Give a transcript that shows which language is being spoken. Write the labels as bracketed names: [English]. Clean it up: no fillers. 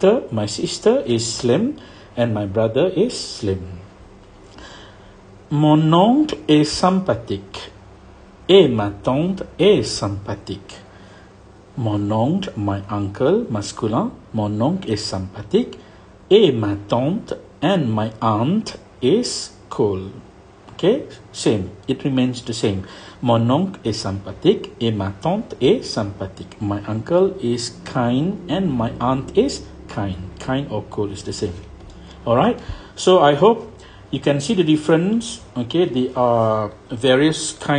[English] My sister is slim and my brother is slim. [French] Mon oncle est sympathique et ma tante est sympathique. Mon oncle, [English] my uncle, [French] masculin, mon oncle est sympathique et ma tante [English] and my aunt is cool. Okay, same, it remains the same. [French] Mon oncle est sympathique et ma tante est sympathique. [English] My uncle is kind and my aunt is kind. Kind or cool is the same. Alright, so I hope you can see the difference. Okay, there are various